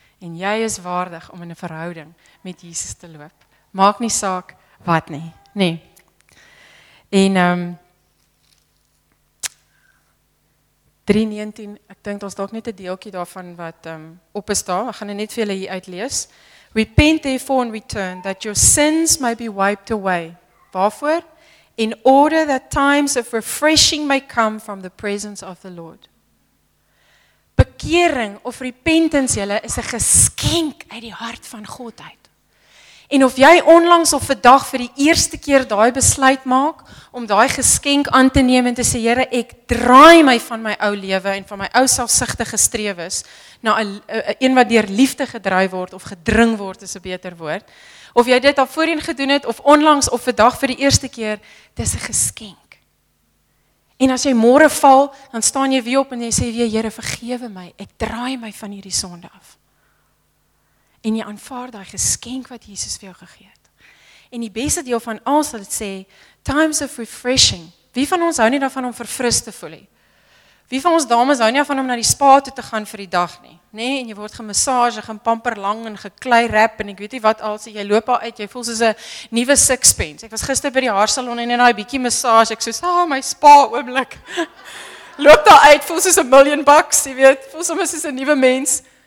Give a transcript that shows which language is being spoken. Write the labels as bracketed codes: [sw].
[af] En jy is waardig om in 'n verhouding met Jesus te loop. Maak nie saak wat nie, nê. En 3:19, ek dink ons dalk net 'n deeltjie daarvan wat op is daar. Ek gaan dit net vir julle hier uitlees. [en] Repent therefore and return that your sins may be wiped away. [af] Waarvoor? [en] In order that times of refreshing may come from the presence of the Lord. [af] Bekering of repentance julle is 'n geskenk uit die hart van God uit. En of jy onlangs of vandag vir die eerste keer daai besluit maak om daai geskenk aan te neem en te sê Here, ek draai my van my ou lewe en van my ou selfsugtige strewes na 'n een wat deur liefde gedryf word of gedring word is 'n beter woord. Of jy dit al voorheen gedoen het of onlangs of vandag vir die eerste keer, dis 'n geskenk. En as jy môre val, dan staan jy weer op en jy sê weer Here, vergewe my. Ek draai my van hierdie sonde af. En jy aanvaar daai geskenk wat Jesus vir jou gegee het. En die beste deel van alles wat dit sê, [en] times of refreshing. [af] Wie van ons hou nie daarvan om verfris te voel nie? Wie van ons dames hou nie van om na die spa toe te gaan vir die dag nie, nê? Nee, en jy word gemassage, gaan pamper lang en geklei rap en ek weet nie wat alsi jy loop daar uit, jy voel soos 'n nuwe sixpence. Ek was gister by die haarsalon en in daai bietjie massage, ek soos, "Ah, my spa oomblik." Loop daar uit, voel soos 'n [en] million bucks, [af] jy weet, voel soos 'n nuwe mens.